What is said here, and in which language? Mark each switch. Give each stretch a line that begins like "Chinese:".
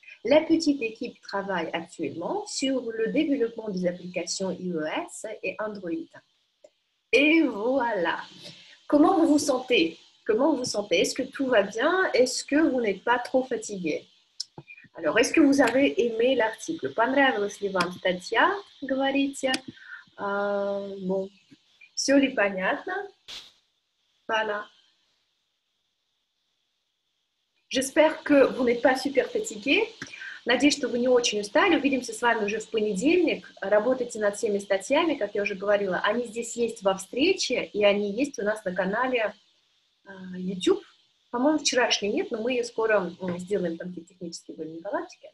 French: La petite équipe travaille actuellement sur le développement des applications iOS et Android. Et voilà. Comment vous vous sentez ? Comment vous sentez ? Est-ce que tout va bien ? Est-ce que vous n'êtes pas trop fatigué ? Alors, est-ce que vous avez aimé l'article ?
Russian: Понравилось ли вам статья, говорите ? Bon, все ли понятно ?
French: Voilà. J'espère que vous n'êtes pas super fatigué.
Russian: Надеюсь, что вы не очень устали. Увидимся с вами уже в понедельник. Работайте над всеми статьями, как я уже говорила. Они здесь есть во встрече, и они есть у нас на канале YouTube. По-моему, вчерашней нет, но мы ее скоро сделаем, там какие-то технические были неполадки.